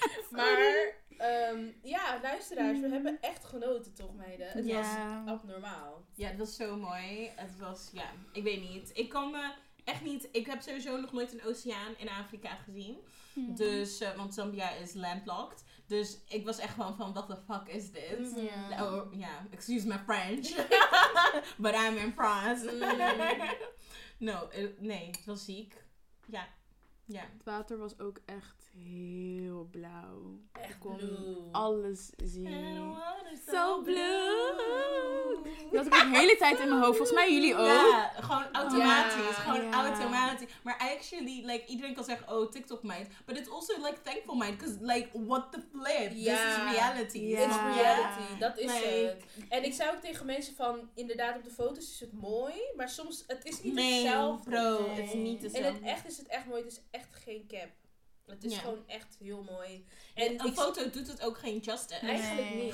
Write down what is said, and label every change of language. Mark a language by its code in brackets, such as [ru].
[nl] Maar ja, luisteraars, we hebben echt genoten toch, meiden? Het was abnormaal. Ja, het was zo mooi. Het was, ja, ik weet niet. Ik kan me... Echt niet. Ik heb sowieso nog nooit een oceaan in Afrika gezien. Dus, want Zambia is landlocked. Dus ik was echt gewoon van, [en] what the fuck is [nl] dit? [en] Yeah. Oh, yeah. Excuse my French. But I'm in France. [nl] het was ziek. Ja. Ja. Het water was ook echt heel blauw. Echt blue. Ik kon alles zien. [en] So blue. [nl] Dat had ik de hele tijd in mijn hoofd. Volgens mij jullie ook. Ja, gewoon automatisch. Yeah. Gewoon automatisch. Maar [en] actually, like, [nl] iedereen kan zeggen, oh, TikTok mind. [en] But it's also like thankful mind. Because like, what the flip? Yeah. This is reality. Yeah. It's reality. [nl] Dat is like, het. En ik zei ook tegen mensen van, inderdaad, op de foto's is het mooi. Maar soms, het is niet hetzelfde. Bro. Het is niet hetzelfde. In het echt is het echt mooi. Het is echt geen cap. Het is gewoon echt heel mooi. En een foto doet het ook geen justice. Nee. Eigenlijk niet.